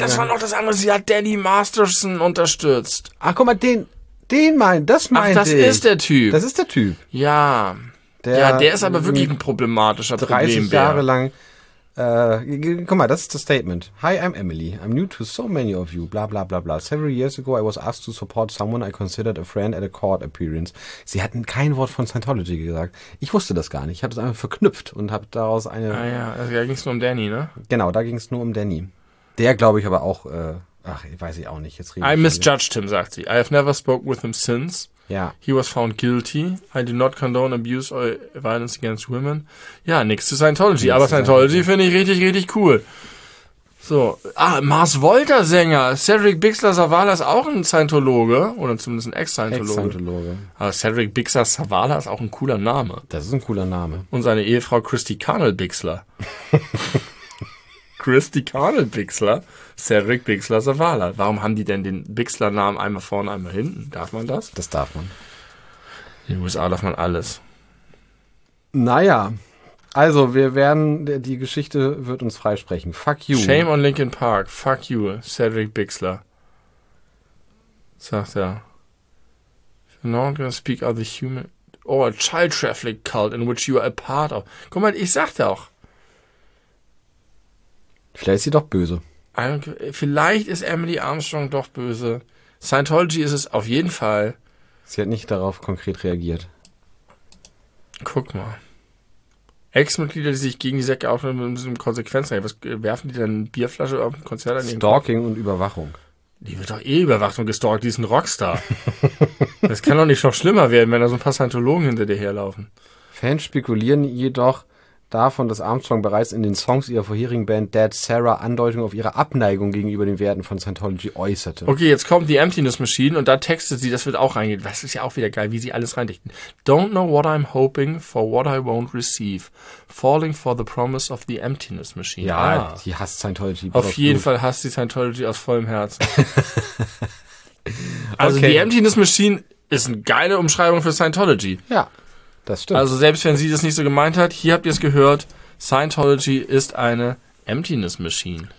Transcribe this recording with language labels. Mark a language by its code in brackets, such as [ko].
[de] Das war noch das andere. Sie hat Danny Masterson unterstützt. Ach, guck mal, das ist der Typ. Das ist der Typ. Ja. Der ist aber wirklich ein problematischer Problembär. 30 Jahre lang. Guck mal, das ist das Statement. [en] Hi, I'm Emily. I'm new to so many of you. Bla, bla, bla, bla. Several years ago, I was asked to support someone I considered a friend at a court appearance. [de] Sie hatten kein Wort von Scientology gesagt. Ich wusste das gar nicht. Ich habe das einfach verknüpft und habe daraus eine... Ah ja, also, da ging es nur um Danny, ne? Genau, da ging es nur um Danny. Der, glaube ich, aber auch... weiß ich auch nicht. Jetzt [en] I misjudged him, [de] sagt sie. [en] I have never spoken with him since. [de] Ja. [en] He was found guilty. I do not condone abuse or violence against women. [de] Ja, nix zu Scientology. Aber Scientology finde ich richtig, richtig cool. So. Ah, Mars Volta-Sänger. Cedric Bixler-Zavala ist auch ein Scientologe. Oder zumindest ein Ex-Scientologe. Ex-Scientologe. Aber Cedric Bixler-Zavala ist auch ein cooler Name. Das ist ein cooler Name. Und seine Ehefrau Christy Carnell Bixler. Christy Carnell Bixler. Cedric Bixler-Zavala. Warum haben die denn den Bixler-Namen einmal vorne, einmal hinten? Darf man das? Das darf man. In den USA darf man alles. Naja, also wir werden, die Geschichte wird uns freisprechen. [en] Fuck you. Shame on Linkin Park. Fuck you, Cedric Bixler. [de] Sagt er. [en] If you're not gonna speak of the human or a child traffic cult in which you are a part of. [de] Guck mal, ich sagte auch. Vielleicht ist sie doch böse. Vielleicht ist Emily Armstrong doch böse. Scientology ist es auf jeden Fall. Sie hat nicht darauf konkret reagiert. Guck mal. Ex-Mitglieder, die sich gegen die Säcke aufhören, müssen Konsequenzen haben. Was werfen die denn? Bierflasche auf dem Konzert an? Stalking und Überwachung. Die wird doch eh überwacht und gestalkt. Die ist ein Rockstar. Das kann doch nicht noch schlimmer werden, wenn da so ein paar Scientologen hinter dir herlaufen. Fans spekulieren jedoch davon, dass Armstrong bereits in den Songs ihrer vorherigen Band Dead Sarah Andeutung auf ihre Abneigung gegenüber den Werten von Scientology äußerte. Okay, jetzt kommt die Emptiness Machine und da textet sie, das wird auch reingehen. Das ist ja auch wieder geil, wie sie alles reindichten. [en] Don't know what I'm hoping for, what I won't receive. Falling for the promise of the Emptiness Machine. [de] Ja, die hasst Scientology. Auf jeden Fall hasst sie Scientology aus vollem Herzen. Also okay. Die Emptiness Machine ist eine geile Umschreibung für Scientology. Ja. Das stimmt. Also selbst wenn sie das nicht so gemeint hat, hier habt ihr es gehört, Scientology ist eine Emptiness Machine.